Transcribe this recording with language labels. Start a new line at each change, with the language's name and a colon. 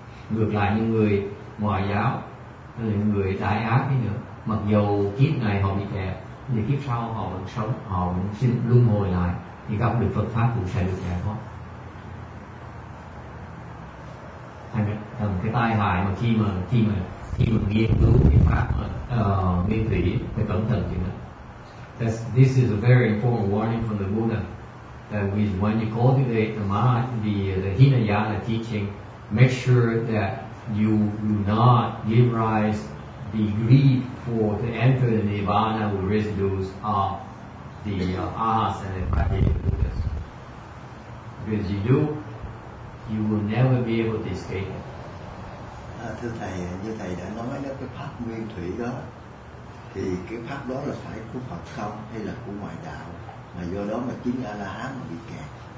Vietnamese: Ngược lại những người ngoại giáo, những người đại ác ấy nữa, mặc dù kiếp này họ bị kẹt, nhưng kiếp sau họ vẫn sống, họ vẫn sinh luân hồi lại, thì gặp được Phật Pháp cũng sẽ được giải thoát. Thành cái tai hại mà khi mà nghiên cứu cái pháp nguyên thủy phải cẩn thận chuyện đó.
English: This is a very important warning from the Buddha, that when you cultivate the mind, the Hinayana teaching, make sure that you do not give rise the greed for to enter the Nirvana with residues of the Arhats and the Pratyeka Buddhas. Because you do, you will never be able to escape.
Vietnamese: Thưa thầy, như thầy đã nói đó, cái pháp nguyên thủy đó, thì cái pháp đó là phải của Phật không hay là của ngoại đạo, mà do đó mà chính A-la-hán bị kẹt.